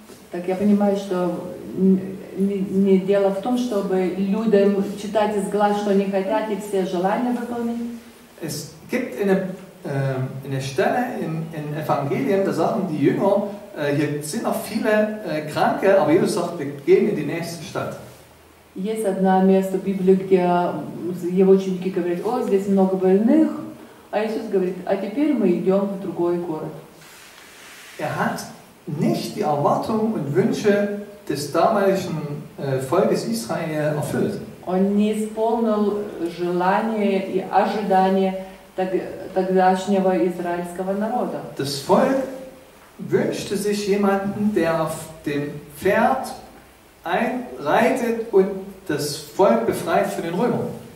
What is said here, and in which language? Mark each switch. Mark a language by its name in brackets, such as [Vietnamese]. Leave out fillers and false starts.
[Russian] Так я понимаю, что не дело в том, чтобы людям читать из глаз, что они хотят и все желания выполнить. [German] Es gibt eine Stelle in Evangelien, da sagen die Jünger, hier sind noch viele Kranke, aber Jesus sagt, wir gehen in die nächste Stadt. [Russian] Есть одно место в Библии, где его ученики говорят: «О, здесь много больных», а Иисус говорит: «А теперь мы идем в другой город». [German] Er hat nicht die Erwartungen und Wünsche des damaligen Volkes Israel erfüllt. [Russian] Он не исполнил желания и ожидания тогдашнего израильского народа. [German] Das Volk wünschte sich jemanden, der auf dem Pferd einreitet und das Volk befreit von den Römern.